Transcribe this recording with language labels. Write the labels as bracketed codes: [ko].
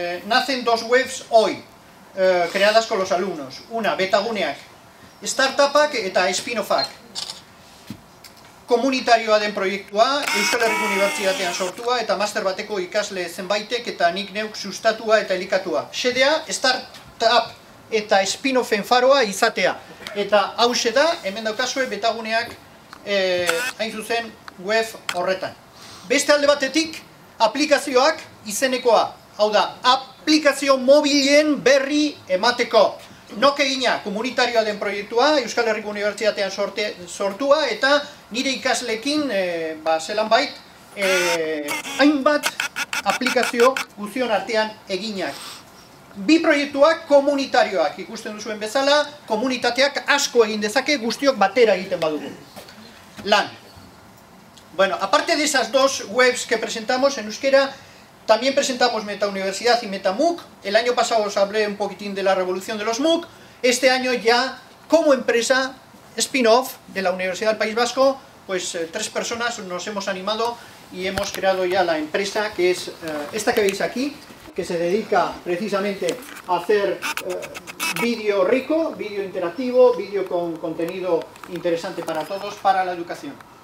[es] Nacen dos webs hoy, creadas con los alumnos. Una, [eu] Betaguneak. Startupak eta Spinofak. Komunitarioa den proiektua, Euskal Herriko Unibertsitatean sortua eta master bateko ikasle zenbaitek eta nik neuk sustatua eta elikatua. Xedea, startup eta spin-offen faroa izatea. Eta hause da, hemen daukazue, Betaguneak hain zuzen web horretan. Beste alde batetik, aplikazioak izenekoa. Hau da, aplikazio mobilen berri emateko. Nok egina, komunitarioa den proiektua, Euskal Herriko Unibertsitatean sortua eta nire ikaslekin, zelan bait, hainbat aplikazio guztion artean eginak. Bi proiektuak komunitarioak, ikusten duzuen bezala, komunitateak asko egin dezake guztiok batera egiten badugu. Lan. [es] Bueno, aparte de esas dos webs que presentamos en euskera, también presentamos Meta Universidad y Meta MOOC. El año pasado os hablé un poquitín de la revolución de los MOOC. Este año ya, como empresa spin-off de la Universidad del País Vasco, pues tres personas nos hemos animado y hemos creado ya la empresa, que es esta que veis aquí, que se dedica precisamente a hacer vídeo rico, vídeo interactivo, vídeo con contenido interesante para todos, para la educación.